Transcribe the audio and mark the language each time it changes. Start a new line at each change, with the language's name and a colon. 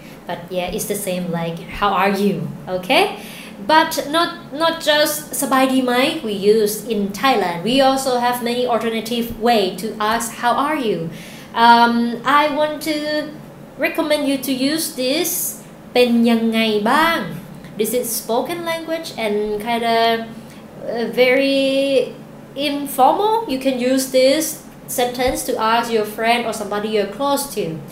English: But yeah, it's the same like, How are you? Okay? But not just
Thai: sabai di mai
English: we use in Thailand. We also have many alternative way to ask, How are you? I want to recommend you to use this.
Thai: เป็นยังไงบ้าง
English: This is spoken language and kind of very informal. You can use this sentence to ask your friend or somebody you're close to.